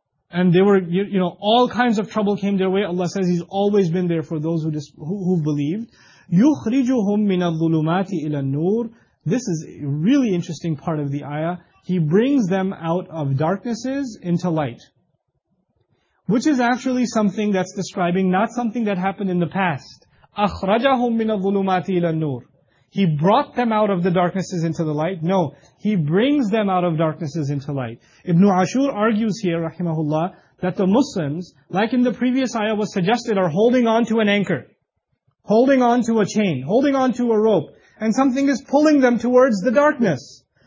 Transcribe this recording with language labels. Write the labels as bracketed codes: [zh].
[en] And they were, you know, all kinds of trouble came their way. Allah says He's always been there for those who believed. [ar] يُخْرِجُهُم مِّنَ الظُّلُمَاتِ إِلَى النُّورِ. [en] This is a really interesting part of the ayah. He brings them out of darknesses into light. Which is actually something that's describing not something that happened in the past. [ar] أَخْرَجَهُم مِّنَ الظُّلُمَاتِ إِلَى النُّورِ. [en] He brought them out of the darknesses into the light. No, He brings them out of darknesses into light. Ibn Ashur argues here, rahimahullah, that the Muslims, like in the previous ayah was suggested, are holding on to an anchor. Holding on to a chain. Holding on to a rope. And something is pulling them towards the darkness.